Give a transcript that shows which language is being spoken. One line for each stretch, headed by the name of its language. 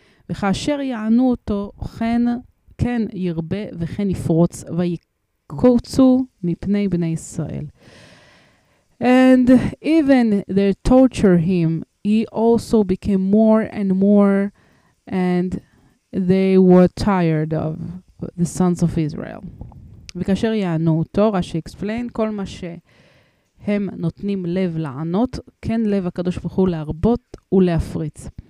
Hebrew: וכאשר יענו אותו, כן ירבה וכן יפרוץ ויקרץ. קוצו מפני בני ישראל.
English: And even they torture him, he also became more and more, and they were tired of the sons of Israel.
Hebrew: וכאשר יענו אותו, רשי explain, כל מה שהם נותנים לב לענות, כן לב הקדוש ברוך הוא להרבות ולהפריץ.